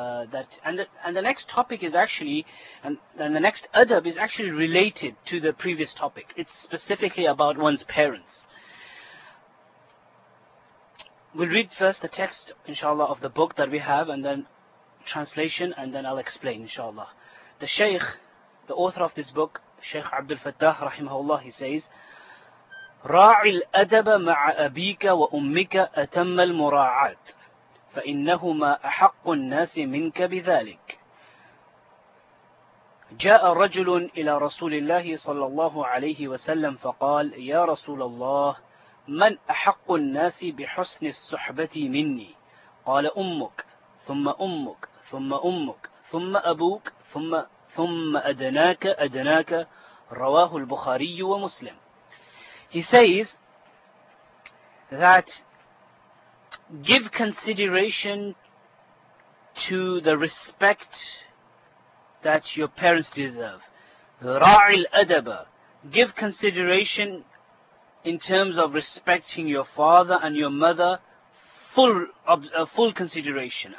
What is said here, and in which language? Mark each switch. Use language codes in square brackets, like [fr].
[en] The next topic is actually, and the next adab is actually related to the previous topic. It's specifically about one's parents. We'll read first the text, inshallah, of the book that we have, and then translation, and then I'll explain, inshallah. The Shaykh, the author of this book, Shaykh Abdul Fattah, rahimahullah, he says, [ar] رَاعِ الْأَدَبَ مَعَ أَبِيكَ وَأُمِّكَ أَتَمَّ الْمُرَاعَاتِ فَإِنَّهُمَا أَحَقُّ النَّاسِ مِنْكَ بِذَلِكَ جَاءَ رَجُلٌ إِلَى رَسُولِ اللَّهِ صَلَّى اللَّهُ عَلَيْهِ وَسَلَّمَ فَقَالَ يَا رَسُولَ اللَّهِ من أحق الناس بحسن الصحبة مني؟ قال أمك، ثم أمك، ثم أمك، ثم أبوك، ثم أدناك، أدناك. رواه البخاري ومسلم. [en] He says that give consideration to the respect that your parents deserve. [ar] راعي الأدب. [en] Give consideration in terms of respecting your father and your mother, full consideration.